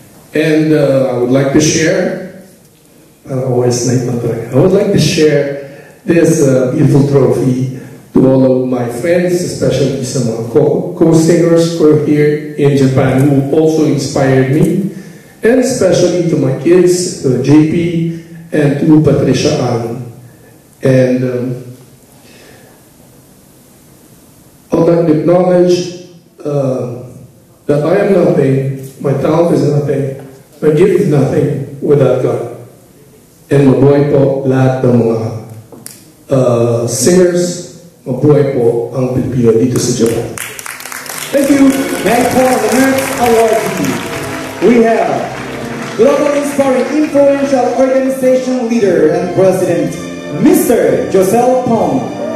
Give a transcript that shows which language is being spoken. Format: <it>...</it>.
<en>And I would like to share, I would like to share this beautiful trophy to all of my friends, especially some co-singers who are here in Japan who also inspired me, and especially to my kids, to JP, and to Patricia Ann. And I would like to acknowledge that I am nothing, my talent is nothing, my gift is nothing without God.</en> <tl>And mabuhay po lahat ng mga singers, mabuhay po ang Pilipino dito sa Japan.</tl> <en>Thank you! May I call the next award to you? We have global inspiring influential organization leader and president, Mr. Josel Pong.</en>